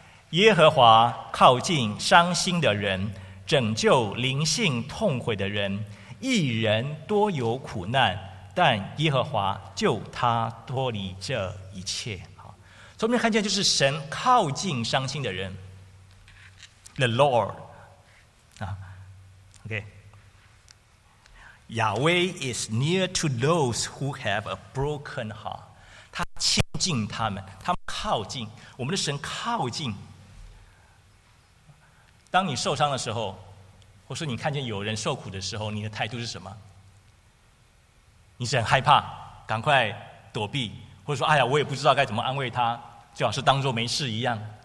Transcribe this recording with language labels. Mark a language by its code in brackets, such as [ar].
[zh] 耶和华靠近伤心的人，拯救灵性痛悔的人。一人多有苦难，但耶和华救他脱离这一切。好，从这边看见就是神靠近伤心的人 ，the Lord 啊 ，OK。 [en] Yahweh is near to those who have a broken heart. [zh] 他亲近他们，他们靠近，我们的神靠近。当你受伤的时候，或是你看见有人受苦的时候，你的态度是什么？你是很害怕，赶快躲避，或者说，哎呀，我也不知道该怎么安慰他，最好是当作没事一样。